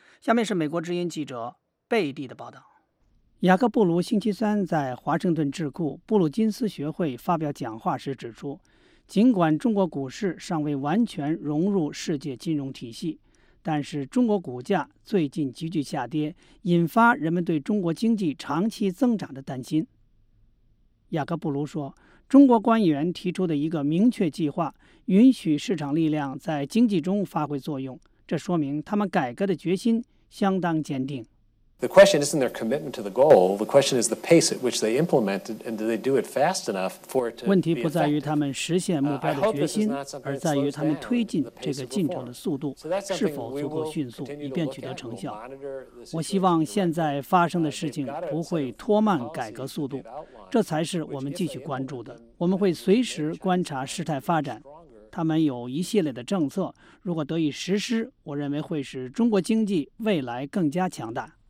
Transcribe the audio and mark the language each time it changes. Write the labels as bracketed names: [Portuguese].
[Chinese] 下面是美国之音记者贝蒂的报道。雅各布卢星期三在华盛顿智库布鲁金斯学会发表讲话时指出，尽管中国股市尚未完全融入世界金融体系，但是中国股价最近急剧下跌，引发人们对中国经济长期增长的担心。雅各布卢说，中国官员提出的一个明确计划，允许市场力量在经济中发挥作用，这说明他们改革的决心相当坚定。 [English] The question isn't their commitment to the goal. The question is the pace at which they implement it, and do they do it fast enough for it to. [Chinese] 问题不在于他们实现目标的决心，而在于他们推进这个进程的速度是否足够迅速，以便取得成效。我希望现在发生的事情不会拖慢改革速度，这才是我们继续关注的。我们会随时观察事态发展。他们有一系列的政策，如果得以实施，我认为会使中国经济未来更加强大。